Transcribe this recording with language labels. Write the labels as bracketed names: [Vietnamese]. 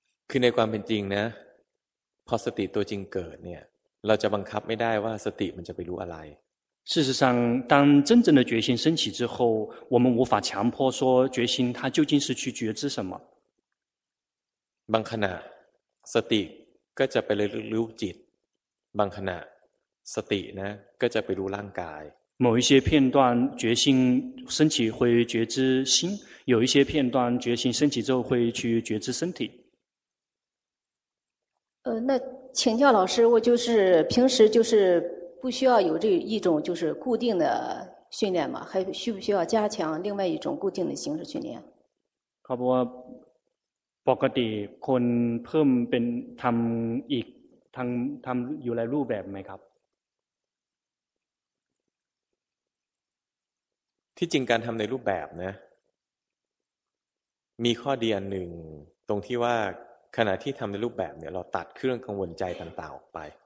[Thai] คือในความเป็นจริงนะพอสติตัวจริงเกิดเนี่ยเราจะบังคับไม่ได้ว่าสติมันจะไปรู้อะไร [Chinese] 事实上当真正的决心升起之后我们无法强迫说决心它究竟是去觉知什么 [Thai] บางขณะสติก็จะไปรู้จิตบางขณะสตินะก็จะไปรู้ร่างกาย [Chinese] 某一些片段觉性升起会觉知心有一些片段觉性升起之后会去觉知身体那请教老师我就是平时就是不需要有这一种就是固定的训练吗还需不需要加强另外一种固定的形式训练 [Thai] ครับว่าปกติคนเพิ่มเป็นทำอีกทำอยู่ในรูปแบบไหมครับ ที่จริงการทำในรูปแบบนะมีข้อดีอันหนึ่งตรงที่ว่าขณะที่ทำในรูปแบบเนี่ยเราตัดเครื่องกังวลใจต่างๆออกไป